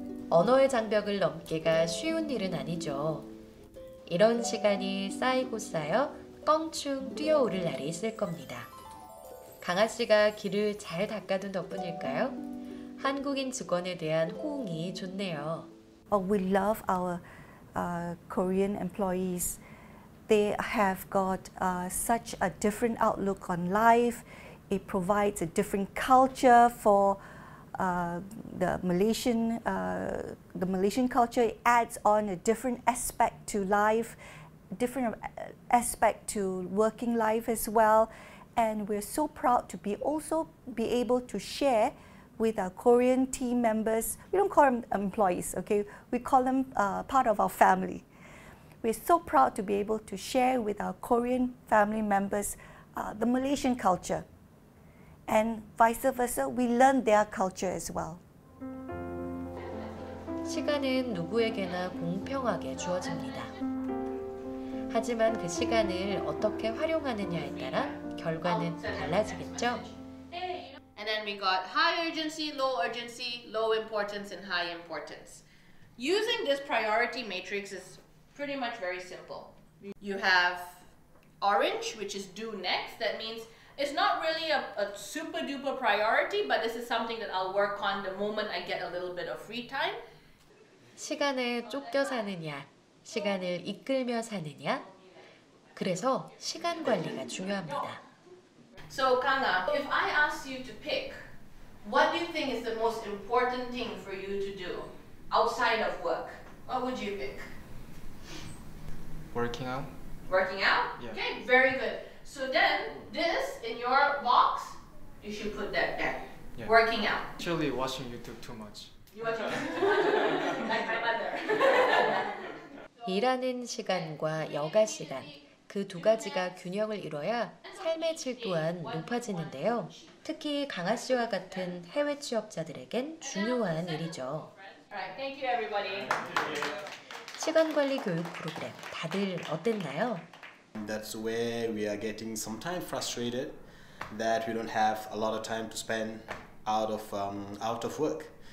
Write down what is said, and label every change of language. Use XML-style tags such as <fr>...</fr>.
<ko>언어의 장벽을 넘기가 쉬운 일은 아니죠. 이런 시간이 쌓이고 쌓여 껑충 뛰어오를 날이 있을 겁니다. 강아 씨가 길을 잘 닦아둔 덕분일까요? 한국인 직원에 대한 호응이 좋네요.</ko> <en>We love our Korean employees. They have got such a different outlook on life. It provides a different culture for the Malaysian culture. It adds on a different aspect to life, different aspect to working life as well. And we're so proud to be able to share with our Korean team members. We don't call them employees, okay? We call them part of our family. We're so proud to be able to share with our Korean family members the Malaysian culture. And vice versa, we learn their culture as well.</en> <ko>시간은 누구에게나 공평하게 주어집니다. 하지만 그 시간을 어떻게 활용하느냐에 따라 결과는 달라지겠죠?</ko> <en>And then we got high urgency, low importance, and high importance. Using this priority matrix is pretty much very simple. You have orange, which is do next. That means it's not really a super duper priority, but this is something that I'll work on the moment I get a little bit of free time.</en> <ko>시간에 쫓겨 사느냐, 시간을 이끌며 사느냐. 그래서 시간 관리가 중요합니다.</ko> <en>So, Kanga, if I ask you to pick, what do you think is the most important thing for you to do outside of work? What would you pick? Working out. Working out? Yeah. Okay, very good. So then, this in your box, you should put that there. Yeah. Working out. Actually, watching YouTube too much. You watching YouTube too much? Like my mother.</en> <ko>일하는 시간과 여가 시간. 그 두 가지가 균형을 이뤄야 삶의 질 또한 높아지는데요. 특히 강아 씨와 같은 해외 취업자들에겐 중요한 일이죠.</ko> <en>Alright, thank you everybody.</en> <ko>시간 관리 교육 프로그램 다들 어땠나요?</ko> <en>That's where we are getting sometimes frustrated that we don't have a lot of time to spend out of work.</en>